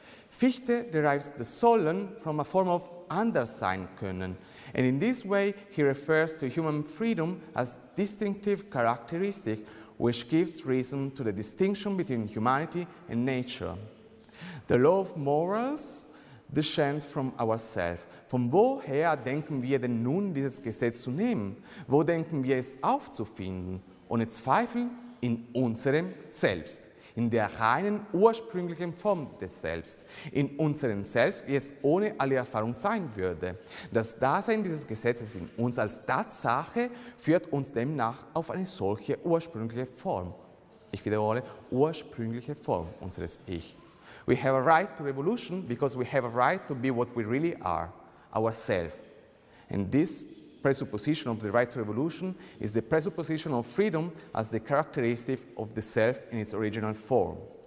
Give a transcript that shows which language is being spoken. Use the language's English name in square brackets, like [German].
[English] Fichte derives the Sollen from a form of Andersein können, and in this way he refers to human freedom as distinctive characteristic which gives reason to the distinction between humanity and nature. The law of morals descends from ourself. [German] Von woher denken wir denn nun dieses Gesetz zu nehmen? Wo denken wir es aufzufinden? Ohne Zweifel in unserem Selbst, in der reinen ursprünglichen Form des Selbst, in unserem Selbst, wie es ohne alle Erfahrung sein würde. Das Dasein dieses Gesetzes in uns als Tatsache führt uns demnach auf eine solche ursprüngliche Form. Ich wiederhole, ursprüngliche Form unseres Ich. [English] We have a right to revolution because we have a right to be what we really are, ourselves. And this presupposition of the right to revolution is the presupposition of freedom as the characteristic of the self in its original form.